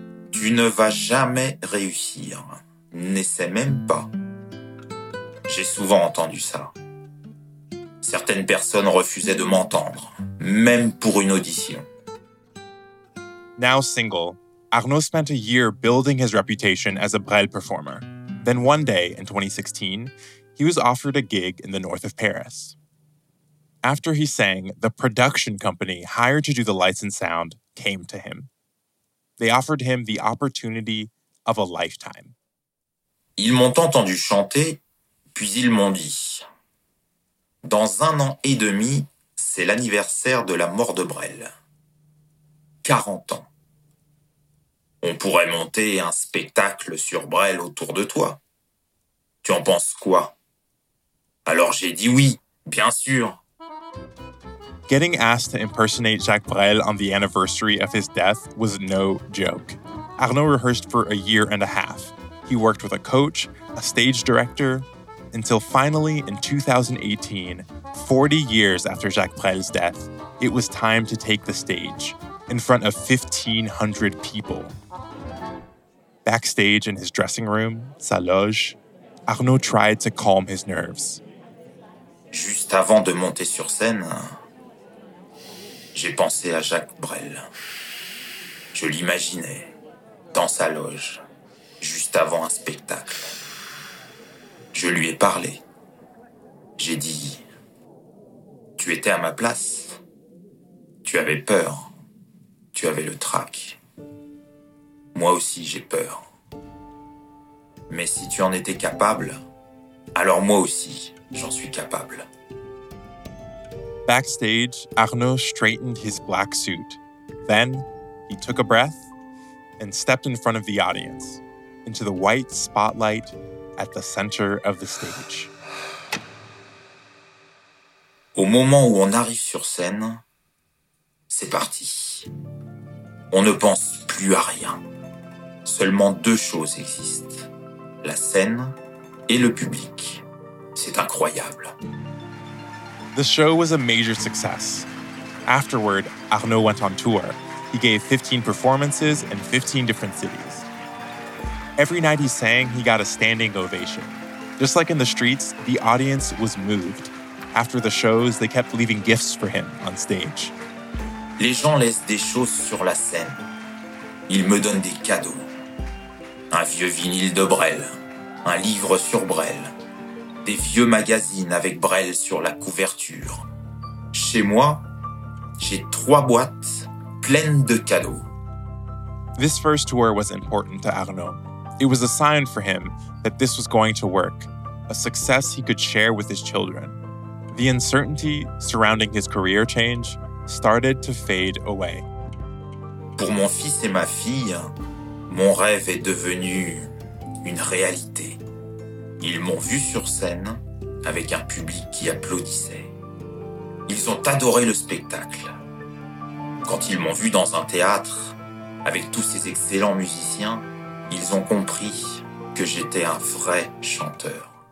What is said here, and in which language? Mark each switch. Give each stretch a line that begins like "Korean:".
French: Tu ne vas jamais réussir. N'essaie même pas. J'ai souvent entendu ça. Certaines personnes refusaient de m'entendre, même pour une audition.
English: Now single, Arnaud spent a year building his reputation as a Brel performer. Then one day, in 2016, he was offered a gig in the north of Paris. After he sang, the production company hired to do the lights and sound came to him. They offered him the opportunity of a lifetime.
French: Ils m'ont entendu chanter, puis ils m'ont dit, dans un an et demi, c'est l'anniversaire de la mort de Brel. 40 ans. On pourrait monter un spectacle sur Brel autour de toi. Tu en penses quoi? Alors j'ai dit oui, bien sûr.
English: Getting asked to impersonate Jacques Brel on the anniversary of his death was no joke. Arnaud rehearsed for a year and a half. He worked with a coach, a stage director, until finally in 2018, 40 years after Jacques Brel's death, it was time to take the stage in front of 1,500 people. Backstage in his dressing room, sa loge, Arnaud tried to calm his nerves.
French: Juste avant de monter sur scène, j'ai pensé à Jacques Brel. Je l'imaginais dans sa loge, juste avant un spectacle. Je lui ai parlé. J'ai dit, tu étais à ma place. Tu avais peur. Tu avais le trac. Moi aussi, j'ai peur. Mais si tu en étais capable, alors moi aussi, j'en suis capable.
English: Backstage, Arnaud straightened his black suit. Then, he took a breath and stepped in front of the audience, into the white spotlight at the center of the stage.
French: Au moment où on arrive sur scène, c'est parti. On ne pense plus à rien. Seulement deux choses existent. La scène et le public. C'est incroyable.
English: The show was a major success. Afterward, Arnaud went on tour. He gave 15 performances in 15 different cities. Every night he sang, he got a standing ovation. Just like in the streets, the audience was moved. After the shows, they kept leaving gifts for him on stage.
French: Les gens laissent des choses sur la scène. Ils me donnent des cadeaux. Un vieux vinyle de Brel. Un livre sur Brel. des vieux magazines avec Brel sur la couverture. Chez moi, j'ai 3 boîtes pleines de cadeaux.
English: This first tour was important to Arnaud. It was a sign for him that this was going to work, a success he could share with his children. The uncertainty surrounding his career change started to fade away.
French: Pour mon fils et ma fille, mon rêve est devenu une réalité. Ils m'ont vu sur scène avec un public qui applaudissait. Ils ont adoré le spectacle. Quand ils m'ont vu dans un théâtre, avec tous ces excellents musiciens, ils ont compris que j'étais un vrai chanteur.